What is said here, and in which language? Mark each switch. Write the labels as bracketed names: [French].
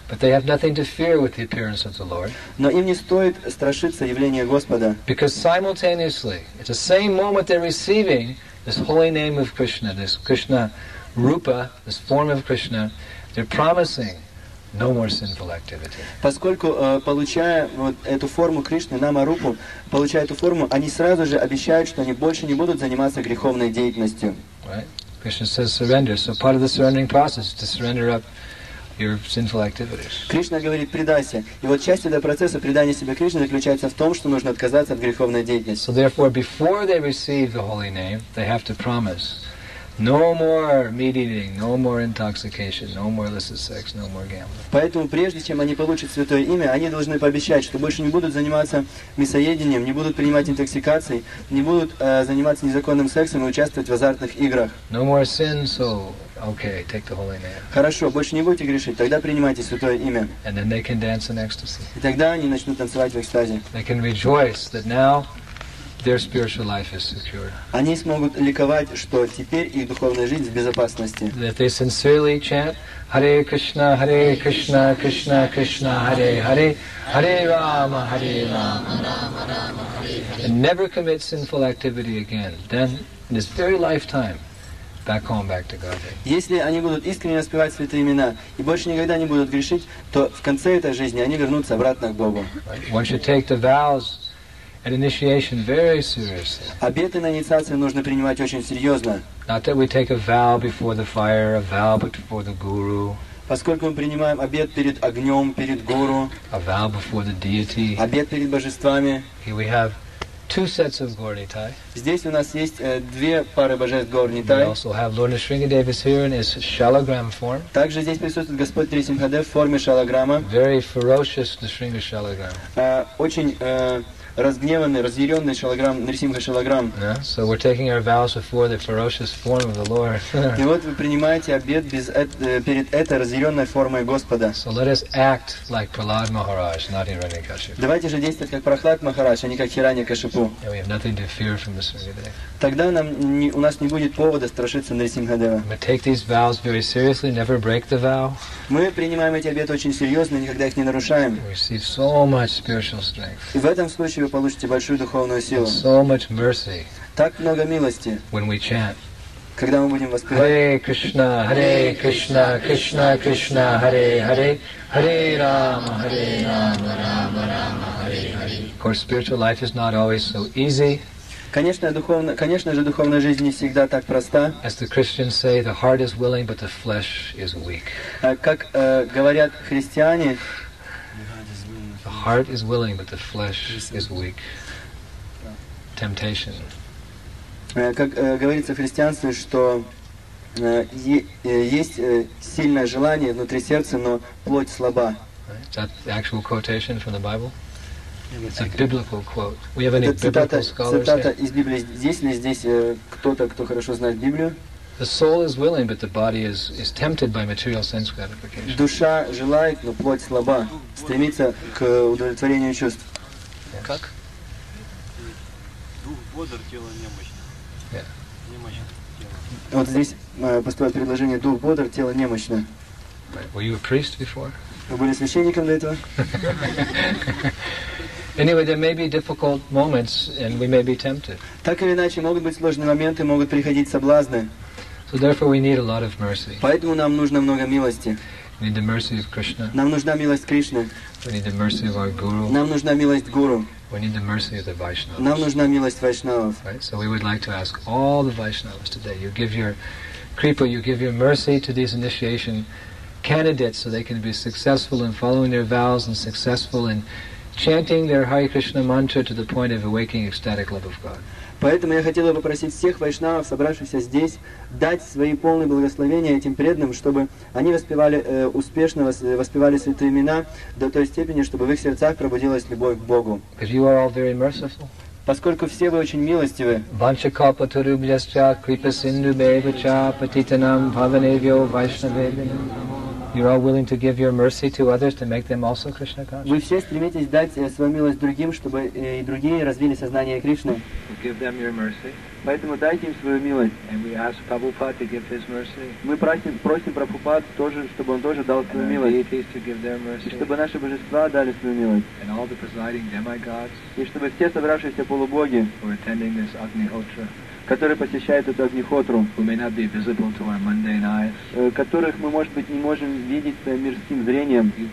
[English] But they have nothing to fear with the appearance of the Lord. [Russian] Но им не стоит страшиться явления Господа. [English] Because simultaneously, at the same moment they're receiving this holy name of Krishna, this Krishna. Rupa, this form of Krishna, they're promising no more sinful activity. [Russian] Поскольку получая вот эту форму Кришны, Нама Рупу, получая эту форму, они сразу же обещают, что они больше не будут заниматься греховной деятельностью. [English] Right? Krishna says surrender. So part of the surrendering process is to surrender up your sinful activities. [Russian] Кришна говорит предайся. И вот часть этого процесса предания себе Кришне заключается в том, что нужно отказаться от греховной деятельности. [English] So therefore, before they receive the holy name, they have to promise. No more meat eating, no more intoxication, no more illicit sex, no more gambling. [Russian] Поэтому прежде чем они получат святое имя, они должны пообещать, что больше не будут заниматься мясоедением, не будут принимать интоксикации, не будут заниматься незаконным сексом и участвовать в азартных играх. [English] No more sin, so okay, take the holy name. [Russian] Хорошо, больше не будете грешить, тогда принимайте святое имя. [English] And then they can dance in ecstasy. [Russian] И тогда они начнут танцевать в экстазе. [English] They can rejoice that now their spiritual life is secure. [Russian] Они смогут ликовать, что теперь их духовная жизнь в безопасности. [English] That they sincerely chant Hare Krishna, Hare Krishna, Krishna Krishna, Hare Hare, Hare Rama, Hare Rama. And never commit sinful activity again. Then, in this very lifetime, back home, back to Godhead. [Russian] Если они будут искренне воспевать святые имена и больше никогда не будут грешить, то в конце этой жизни они вернутся обратно к Богу. [English] Once you take the vows. At initiation, very seriously. [Russian] Обеты на инициации нужно принимать очень серьезно. [English] Not that we take a vow before the fire, a vow before the guru. [Russian] Поскольку мы принимаем обет перед огнем, перед гуру. [English] A vow before the deity. [Russian] Обет перед божествами. [English] Here we have two sets of gaurnitai. [Russian] Здесь у нас есть две пары божеств гаурнитай. [English] We also have Lord Nrisimhadev is here in his shalagram form. [Russian] Также здесь присутствует Господь Нрисимхадев в форме шалаграмма. [English] Very ferocious Nrisimha shalagram. [Russian] Очень разгневанный, разъяренный Шалаграм, Нарисимха Шалаграм. [English] So we're taking our vows before the ferocious form of the Lord. [Russian] И вот вы принимаете обет перед этой разъяренной формой Господа. [English] So let us act like Prahlad Maharaj, not Hiranyakashipu. [Russian] Давайте же действовать как Прахлад Махарадж, а не как Хираньякашипу. [English] And we have nothing to fear from the Сангхидева. [Russian] Тогда у нас не будет повода страшиться Нарисимхадева. [English] We take these vows very seriously, never break the vow. [Russian] Мы принимаем эти обеты очень серьезно, никогда их не нарушаем. [English] We receive so much spiritual strength. [Russian] И в этом случае вы получите большую духовную силу. [English] So much mercy. [Russian] Так много милости. [English] When we chant. [Russian] Когда мы будем воспевать. [English] Hare Krishna, Hare Krishna, Krishna Krishna, Hare Hare, Hare Rama, Hare Rama, Rama Rama, Hare Hare. Of course, spiritual life is not always so easy. [Russian] Конечно же, духовная жизнь не всегда так проста. [English] As the Christians say, the heart is willing, but the flesh is weak. [Russian] Как говорят христиане, [English] the heart is willing, but the flesh is weak. Temptation. [Russian] Как говорится в христианстве, что есть сильное желание внутри сердца, но плоть слаба. [English] Right. Is that the actual quotation from the Bible? It's a biblical quote. We have any biblical scholars here? [Russian] Цитата из Библии. Здесь ли здесь кто-то, кто хорошо знает Библию? [English] The soul is willing, but the body is tempted by material sense gratification. [Russian] Душа желает, но плоть слаба, стремится к удовлетворению чувств. Как? Дух бодр, тело немощно. Вот здесь поступает предложение: дух бодр, тело немощно. [English] Were you a priest before? [Russian] Вы были священником до этого? [English] Anyway, there may be difficult moments, and we may be tempted. [Russian] Так или иначе, могут быть сложные моменты, могут приходить соблазны. [English] So therefore, we need a lot of mercy. [Russian] Поэтому нам нужно много милости. [English] We need the mercy of Krishna. [Russian] Нам нужна милость Кришны. [English] We need the mercy of our guru. [Russian] Нам нужна милость гуру. [English] We need the mercy of the Vaishnavas. [Russian] Нам нужна милость Вайшнавов. [English] Right. So we would like to ask all the Vaishnavas today. You give your kripa, you give your mercy to these initiation candidates, so they can be successful in following their vows and successful in chanting their Hare Krishna mantra to the point of awakening ecstatic love of God. [Russian] Поэтому я хотел бы попросить всех вайшнавов, собравшихся здесь, дать свои полные благословения этим преданным, чтобы они воспевали успешно, воспевали святые имена до той степени, чтобы в их сердцах пробудилась любовь к Богу. [English] Because you are all very merciful. [Russian] Поскольку все вы очень милостивы. [Sanskrit] Ванчакапа турубьясча крипа синду бейвача патитанам бхаванэвьо вайшнавэвьо. [English] You're all willing to give your mercy to others to make them also Krishna conscious. [Russian] Вы все стремитесь дать свою милость другим, чтобы и другие развили сознание Кришны. [English] Give them your mercy. [Russian] Поэтому дайте им свою милость. [English] And we ask Prabhupada to give his mercy. [Russian] Мы просим Прабхупад тоже, чтобы он тоже дал свою милость. [English] To give their mercy. [Russian] И чтобы наши божества дали свою милость. [English] And all the presiding demigods. [Russian] И чтобы все собравшиеся полубоги, [English] who are attending this Agnihotra, [Russian] которые посещают эту Агнихотру, которых мы, может быть, не можем видеть своим мирским зрением.